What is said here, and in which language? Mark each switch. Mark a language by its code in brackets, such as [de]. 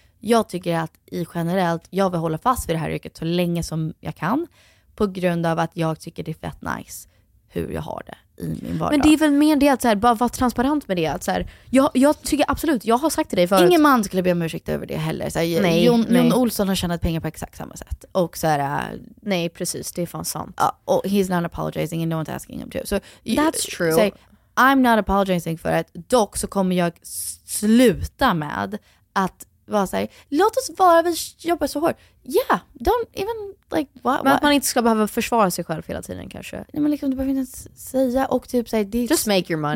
[sv] Jag tycker att i generellt, jag vill hålla fast vid det här yrket så länge som jag kan på grund av att jag tycker det är fett nice hur jag har det i min vardag. Men det är väl mer det att så här, bara vara transparent med det. Att så här, jag tycker absolut, jag har sagt till dig förut. Ingen man skulle be om ursäkt över det heller. Så här, nej, Jon Olsson har tjänat pengar på exakt samma sätt. Och så här, nej, precis, det är fan sant. Och [en] he's not apologizing and no one's asking him to. So, that's true. Say, I'm not apologizing for it. [sv] Dock så kommer jag sluta med att vara så här, låt oss vara, vi jobbar så hårt. [en] Yeah, don't even like what. [sv] Men att man inte ska behöva försvara sig själv hela tiden kanske. Nej, men liksom du behöver inte säga och typ säga det. [en] Just make your money.